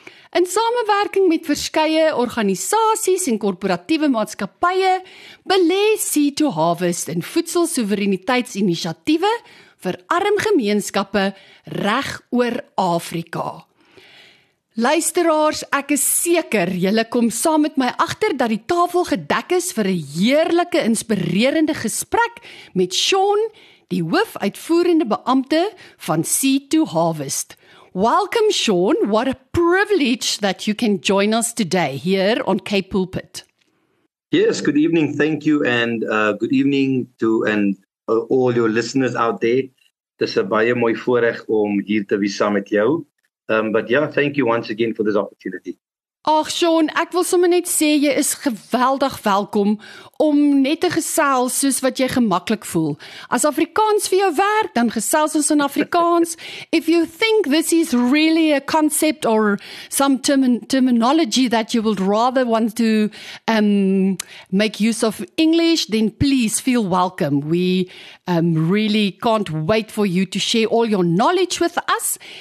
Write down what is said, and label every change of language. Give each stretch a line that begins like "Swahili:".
Afrikaans: In samenwerking met verskeie organisasies en korporatiewe maatskappye belê Sea to Harvest in voedselsoevereiniteitsinisiatiewe vir arm gemeenskappe reg oor Afrika. Luisteraars, ek is seker julle kom saam met my agter dat die tafel gedek is vir 'n heerlike inspirerende gesprek met Sean, die hoofuitvoerende beampte van Sea to Harvest.
English: Welcome, Sean. What a privilege that you can join us today here on Cape Pulpit. Yes, good evening. Thank you. And good evening to and all your listeners out there.
Afrikaans: Dis 'n baie mooi voorreg om hier te wees saam met jou.
English: But yeah, thank you once again for this opportunity.
Afrikaans: Ach, Sean, ek wil sommer net sê, jy is geweldig welkom om net te gesels soos wat jy gemaklik voel. As Afrikaans vir jou werk, dan gesels ons in Afrikaans.
English: If you think this is really a concept or some terminology that you would rather want to make use of English, then please feel welcome. We really can't wait for you to share all your knowledge with us.